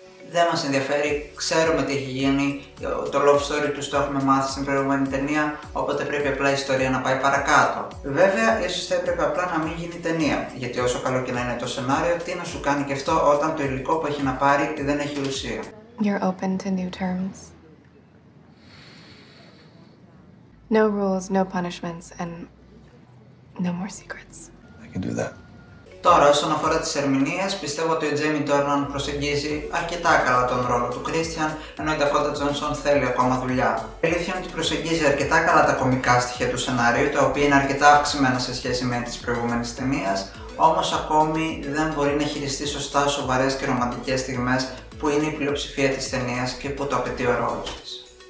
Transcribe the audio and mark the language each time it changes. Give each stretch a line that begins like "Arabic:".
Greek: Δεν μας ενδιαφέρει, ξέρουμε τι έχει γίνει, το love story τους το έχουμε μάθει στην προηγούμενη ταινία, οπότε πρέπει απλά η ιστορία να πάει παρακάτω. Βέβαια, ίσως θα έπρεπε απλά να μην γίνει ταινία, γιατί όσο καλό και να είναι το σενάριο, τι να σου κάνει και αυτό όταν το υλικό που έχει να πάρει δεν έχει ουσία.
English: You're open to new terms. No rules, no punishments, and no more secrets. I can do that.
Greek: Τώρα, όσον αφορά τις ερμηνείες, πιστεύω ότι ο Jamie Dornan προσεγγίζει αρκετά καλά τον ρόλο του Christian, ενώ η Dakota Johnson θέλει ακόμα δουλειά. Η αλήθεια είναι ότι προσεγγίζει αρκετά καλά τα κωμικά στοιχεία του σενάριου, τα οποία είναι αρκετά αυξημένα σε σχέση με τις προηγούμενες ταινίες, όμως ακόμη δεν μπορεί να χειριστεί σωστά σοβαρές και ρομαντικές στιγμές που είναι η πλειοψηφία της ταινίας και που το απαιτεί ο ρόλος της.